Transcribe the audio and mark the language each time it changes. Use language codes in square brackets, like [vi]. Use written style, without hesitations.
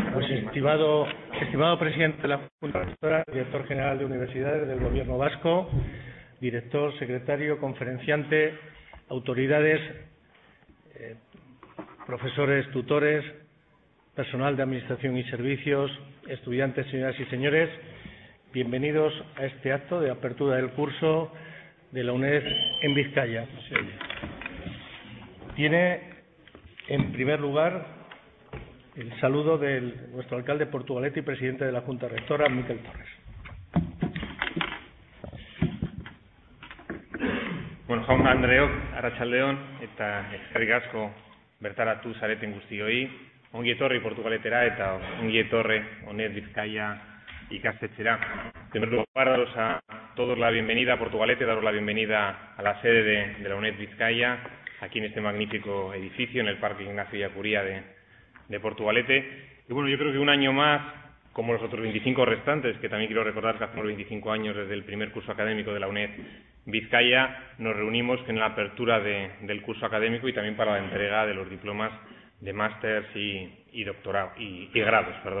[es] Estimado presidente de la Junta Rectora, director general de Universidades del Gobierno Vasco, director, secretario, conferenciante, autoridades, profesores, tutores, personal de Administración y Servicios, estudiantes, señoras y señores, bienvenidos a este acto de apertura del curso de la UNED en Vizcaya. Tiene, en primer lugar, el saludo de nuestro alcalde Portugalete y presidente de la Junta Rectora, Miquel Torres. [eu] Bueno, jaun andreok, arratsaldeon, eta eskerrik asko bertaratu zareten guztioi. Ongi etorri Portugaletera eta ongi etorri UNED Bizkaia ikastetxera. [es] En primer lugar, daros a todos la bienvenida a Portugalete, daros la bienvenida a la sede de la UNED Bizkaia, aquí en este magnífico edificio, en el Parque Ignacio Ellacuría de Portugalete. Y bueno, yo creo que un año más, como los otros 25 restantes, que también quiero recordar que hacemos 25 años desde el primer curso académico de la UNED Vizcaya, nos reunimos en la apertura del curso académico y también para la entrega de los diplomas de máster y grados.